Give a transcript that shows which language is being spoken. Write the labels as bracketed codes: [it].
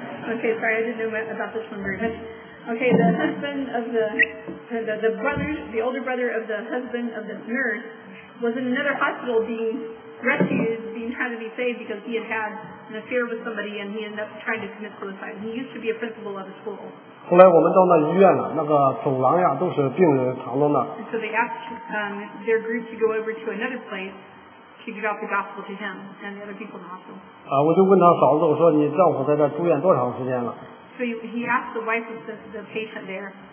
[en] Okay, sorry, I didn't know about this one very much. Okay, the husband of the brothers, the older brother of the husband of the nurse. Was in another hospital being rescued, being trying to be saved because he had had an affair with somebody and he ended up trying to commit suicide. He used to be a principal of a school. [zh] 后来我们到那医院了，那个走廊呀都是病人躺在那。 [en] So they asked their group to go over to another place to give out the gospel to him and the other people in the hospital. [zh] 我就问他嫂子，我说你丈夫在这住院多长时间了？ [en] So he asked the wife of the patient there.